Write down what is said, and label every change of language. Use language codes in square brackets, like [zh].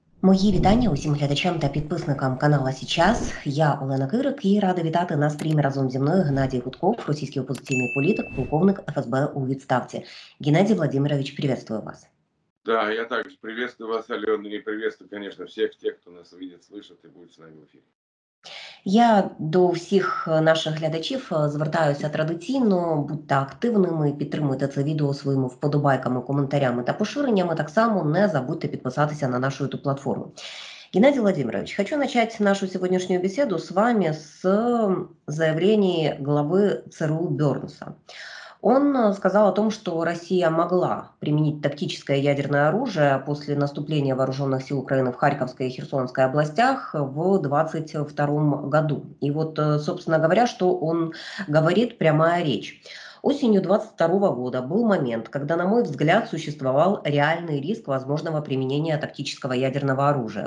[uk] Мої вітання усім глядачам та підписникам каналу «Січас». Я Олена Кирик і рада вітати на стрімі разом зі мною Геннадій Гудков, російський опозиційний політик, полковник ФСБ у відставці. [ru] Геннадій Володимирович, приветствую вас. Да, я также приветствую вас, Алена, и приветствую, конечно, всех тех, кто нас видит, слышит и будет с нами в эфире. [uk] Я до всіх наших глядачів звертаюся традиційно, будьте активними, підтримуйте це відео своїми вподобайками, коментарями та поширеннями, так само не забудьте підписатися на нашу YouTube-платформу. Геннадій Володимирович, хочу начати нашу сьогоднішню бесіду з вами з заявлення глави ЦРУ Бернса. [ru] Он сказал о том, что Россия могла применить тактическое ядерное оружие после наступления вооруженных сил Украины в Харьковской и Херсонской областях в 2022 году. И вот, собственно говоря, что он говорит, прямая речь. Осенью 2022 года был момент, когда, на мой взгляд, существовал реальный риск возможного применения тактического ядерного оружия.